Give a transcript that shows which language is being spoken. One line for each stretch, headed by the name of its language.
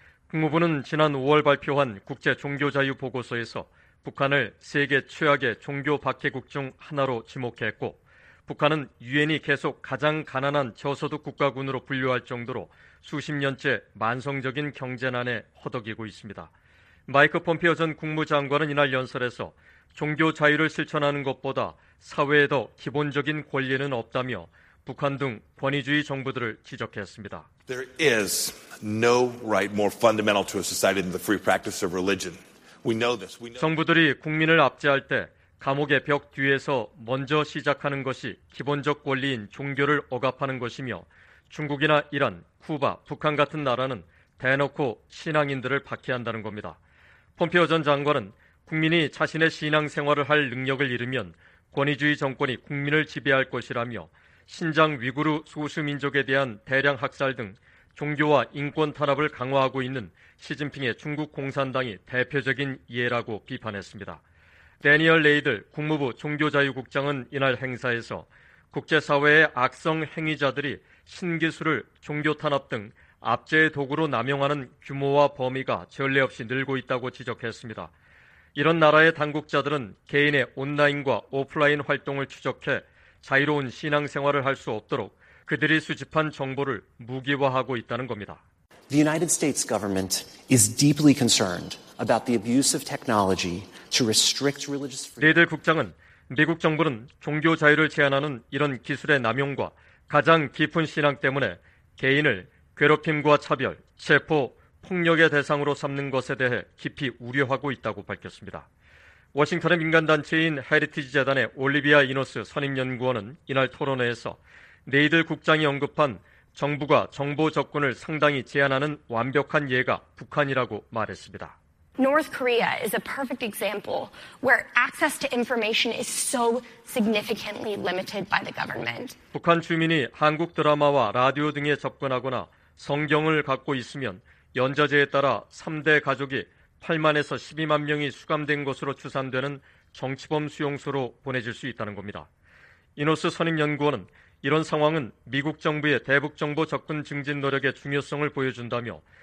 Korean: 국무부는 지난 5월 발표한 국제 종교 자유 보고서에서 북한을 세계 최악의 종교 박해국 중 하나로 지목했고 북한은 유엔이 계속 가장 가난한 저소득 국가군으로 분류할 정도로 수십 년째 만성적인 경제난에 허덕이고 있습니다. 마이크 폼페이오 전 국무장관은 이날 연설에서 종교 자유를 실천하는 것보다 사회에 더 기본적인 권리는 없다며 북한 등 권위주의 정부들을 지적했습니다.
English: There is no right more fundamental to a society than the free practice of religion. We know this. We know...
Korean: 정부들이 국민을 압제할 때 감옥의 벽 뒤에서 먼저 시작하는 것이 기본적 권리인 종교를 억압하는 것이며 중국이나 이란, 쿠바, 북한 같은 나라는 대놓고 신앙인들을 박해한다는 겁니다. 폼페이오 전 장관은 국민이 자신의 신앙 생활을 할 능력을 잃으면 권위주의 정권이 국민을 지배할 것이라며 신장 위구르 소수민족에 대한 대량 학살 등 종교와 인권 탄압을 강화하고 있는 시진핑의 중국 공산당이 대표적인 예라고 비판했습니다. 대니얼 레이들 국무부 종교자유국장은 이날 행사에서 국제사회의 악성 행위자들이 신기술을 종교 탄압 등 압제의 도구로 남용하는 규모와 범위가 전례 없이 늘고 있다고 지적했습니다. 이런 나라의 당국자들은 개인의 온라인과 오프라인 활동을 추적해 자유로운 신앙생활을 할 수 없도록 그들이 수집한 정보를 무기화하고 있다는 겁니다.
English: The United States government is deeply concerned about the abuse of technology to restrict religious freedom.
Korean: 레이들 국장은 미국 정부는 종교 자유를 제한하는 이런 기술의 남용과 가장 깊은 신앙 때문에 개인을 괴롭힘과 차별, 체포, 폭력의 대상으로 삼는 것에 대해 깊이 우려하고 있다고 밝혔습니다. 워싱턴의 민간단체인 헤리티지 재단의 올리비아 이노스 선임연구원은 이날 토론회에서 레이들 국장이 언급한 정부가 정보 접근을 상당히 제한하는 완벽한 예가 북한이라고 말했습니다.
English: North Korea is a perfect example where access to information is so significantly limited by the government.
Korean: 북한 주민이 한국 드라마와 라디오 등에 접근하거나 성경을 갖고 있으면 연좌제에 따라 3대 가족이 8만에서 12만 명이 수감된 것으로 추산되는 정치범 수용소로 보내질 수 있다는 겁니다. 이노스 선임연구원은 이런 상황은 미국 정부의 대북 정보 접근 증진 노력의 중요성을 보여준다며